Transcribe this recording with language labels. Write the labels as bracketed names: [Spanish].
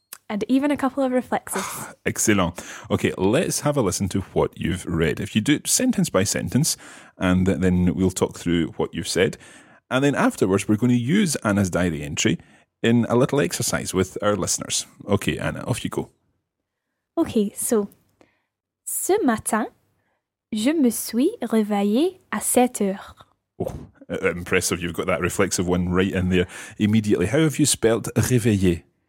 [English] And even a couple of reflexives. Excellent. Okay, let's have a listen to what you've read. If you do it sentence by sentence, and then we'll talk through what you've said. And then afterwards, we're going to use Anna's diary entry in a little exercise with our listeners. Okay, Anna, off you go. Okay, so, [French] ce matin, je me suis réveillée à 7 heures. [English] Oh, impressive. You've got that reflexive one right in there immediately. How have you spelt réveillé?